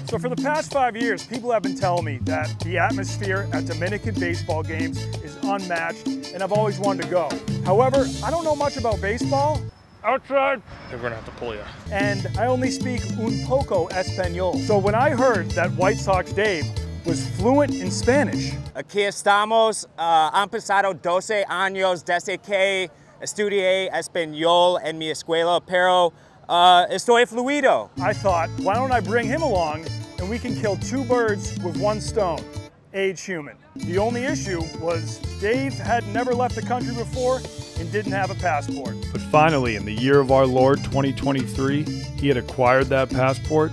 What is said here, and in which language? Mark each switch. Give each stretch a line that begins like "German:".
English: So for the past 5 years, people have been telling me that the atmosphere at Dominican baseball games is unmatched, and I've always wanted to go. However, I don't know much about baseball. Outside. They're gonna have to pull you. And I only speak
Spanish: un poco español.
English: So when I heard that White Sox Dave was fluent in Spanish.
Spanish: Aquí estamos, han pasado 12 años desde que estudié español en mi escuela, pero estoy fluido.
English: I thought, why don't I bring him along and we can kill two birds with one stone, age human. The only issue was Dave had never left the country before and didn't have a passport. But finally, in the year of our Lord 2023, he had acquired that passport.